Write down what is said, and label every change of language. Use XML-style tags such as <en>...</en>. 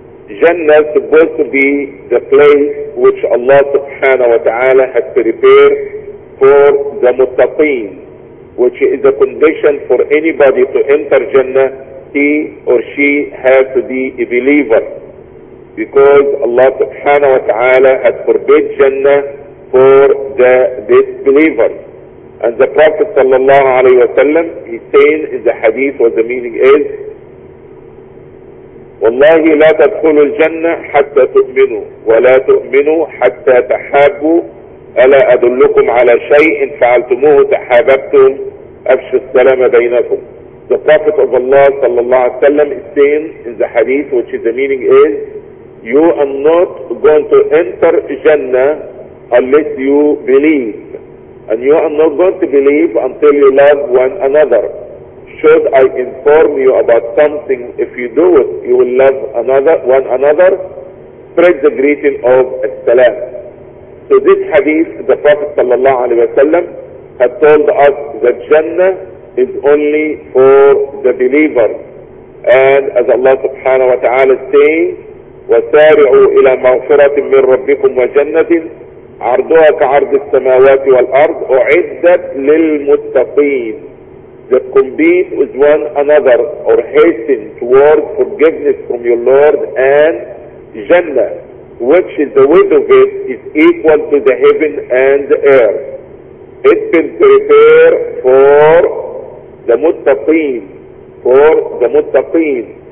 <en>Jannah is supposed to be the place which Allah subhanahu wa ta'ala has prepared for the muttaqeen, which is a condition for anybody to enter Jannah. He or she has to be a believer, because Allah subhanahu wa ta'ala has forbid Jannah for the disbeliever. And the Prophet sallallahu alayhi wa sallam, he saying in the hadith what the meaning is,</en> <ar>والله لا تدخلوا الجنة حتى تؤمنوا ولا تؤمنوا حتى تحابوا ألا أدلكم على شيء إن فعلتموه تحاببتم أفشوا السلام بينكم.</ar> <en>The Prophet of Allah sallallahu alayhi wa sallam is saying in the hadith, which is the meaning is, you are not going to enter Jannah unless you believe. And you are not going to believe until you love one another. Should I inform you about something, if you do it, you will love another, one another, spread the greeting of As-Salam. So this hadith, the Prophet sallallahu alayhi wa sallam had told us that Jannah is only for the believer. And as Allah subhanahu wa ta'ala is saying,</en> <ar>وَسَارِعُوا إِلَى مَغْفِرَةٍ مِّن رَبِّكُمْ وَجَنَّةٍ عَرْضُهَا كَعَرْضِ السَّمَاوَاتِ وَالْأَرْضِ أُعِدَّتْ لِلْمُتَّقِينَ.</ar> <en>The convene with one another or hasten towards forgiveness from your Lord and Jannah, which is the width of it is equal to the heaven and the earth. It can prepare for the muttaqeen, for the muttaqeen.</en>